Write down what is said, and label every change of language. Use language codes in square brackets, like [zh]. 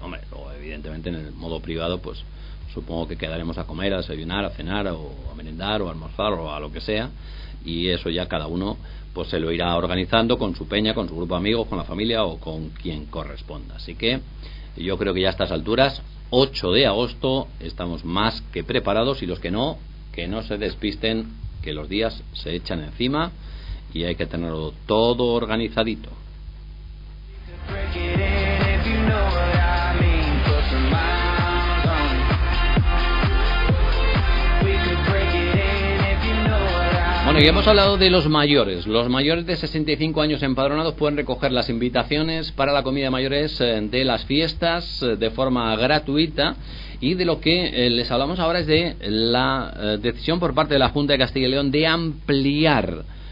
[es] Hombre, luego evidentemente en el modo privado, pues supongo que quedaremos a comer, a desayunar, a cenar, o a merendar, o a almorzar, o a lo que sea, y eso ya cada uno pues se lo irá organizando con su peña, con su grupo de amigos, con la familia o con quien corresponda. Así que yo creo que ya a estas alturas, 8 de agosto, estamos más que preparados, y los que no se despisten, que los días se echan encima y hay que tenerlo todo organizadito. [en] Break it in if you know what I mean. Put some miles on it. We could break it in if you know what I mean. [es] Bueno, y hemos hablado de los mayores. Los mayores de 65 años empadronados pueden recoger las invitaciones para la comida de mayores de las fiestas de forma gratuita. Y de lo que les hablamos ahora es de la decisión por parte de la Junta de Castilla y León de ampliar